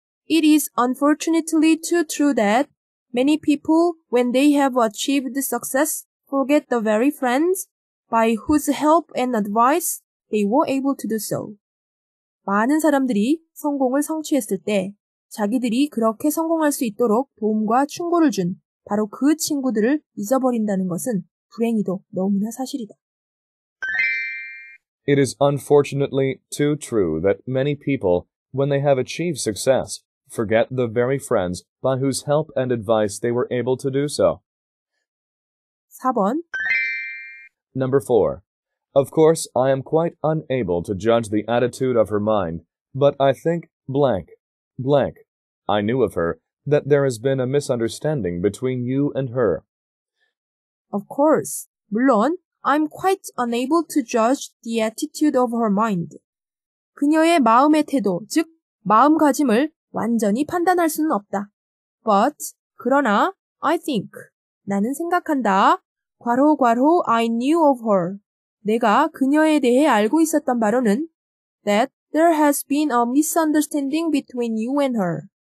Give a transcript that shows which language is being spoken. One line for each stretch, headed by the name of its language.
English: It is unfortunately too true that many people, when they have achieved success, forget the very friends by whose help and advice they were able to do so.
Korean: 많은 사람들이 성공을 성취했을 때 자기들이 그렇게 성공할 수 있도록 도움과 충고를 준 바로 그 친구들을 잊어버린다는 것은 불행히도 너무나 사실이다.
English: It is unfortunately too true that many people, when they have achieved success, forget the very friends by whose help and advice they were able to do so.
Korean: 4번
English: Number 4. Of course, I am quite unable to judge the attitude of her mind, but I think, blank, blank, I knew of her, that there has been a misunderstanding between you and her. Of course,
Korean: 물론,
English: I'm quite unable to judge the attitude of her mind.
Korean: 그녀의 마음의 태도, 즉, 마음가짐을 완전히 판단할 수는 없다.
English: But, 그러나, I think,
Korean: 나는 생각한다.
English: 괄호괄호 I knew of her.
Korean: 내가 그녀에 대해 알고 있었던 바로는
English: that there has been a misunderstanding between you and her.